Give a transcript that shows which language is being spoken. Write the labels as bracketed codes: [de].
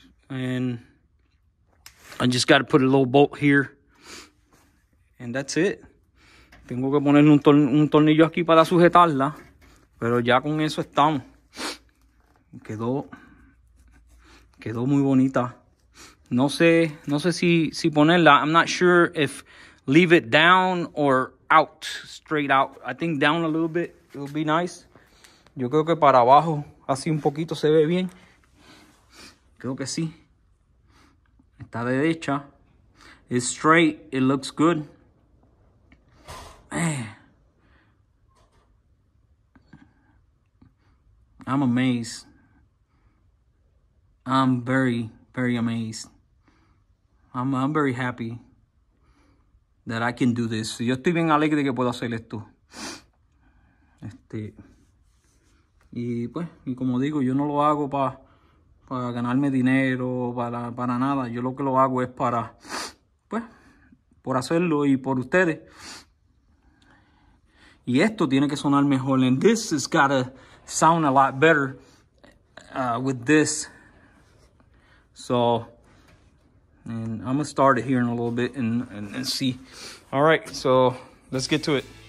[en] And I just got to put a little bolt here. And that's it. [es] Tengo que poner un tornillo aquí para sujetarla. Pero ya con eso estamos. Quedó muy bonita. No sé si ponerla. [en] I'm not sure if leave it down or out. Straight out. I think down a little bit. It would be nice. [es] Yo creo que para abajo. Así un poquito se ve bien. Creo que sí. Está derecha. [en] It's straight. It looks good. Man. I'm amazed. I'm very, very amazed. I'm very happy that I can do this. [es] Yo estoy bien alegre que puedo hacer esto. Y como digo, yo no lo hago para ganarme dinero, para nada. Yo lo que lo hago es para, pues, por hacerlo y por ustedes. Y esto tiene que sonar mejor. [en] And this has got to sound a lot better with this. So, and I'm going to start it here in a little bit and see. All right, so let's get to it.